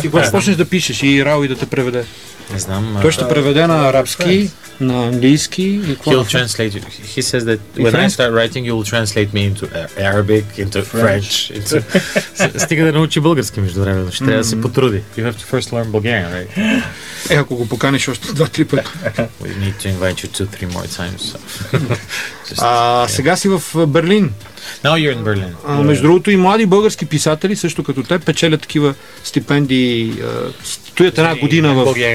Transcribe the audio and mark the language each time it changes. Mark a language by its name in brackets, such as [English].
[Bulgarian] Ти кога ще почнеш да пишеш и Рао и да те преведе? Не знам. Той ще преведе на арабски, на английски. [English] He'll translate. He says that when I start writing, you will translate me into Arabic, into French. [Bulgarian] Стига да научи български между времето. Ще трябва да се потруди. [English] You have to first learn Bulgarian, right? [Bulgarian] Е, ако го поканиш още 2-3 пъти. [English] We need to invite you 2-3 more times. [Bulgarian] Сега си в Берлин. [English] Now you're in Berlin. [Bulgarian] Между другото и млади български писатели, също като те, печелят такива стипендии, стоят една година в...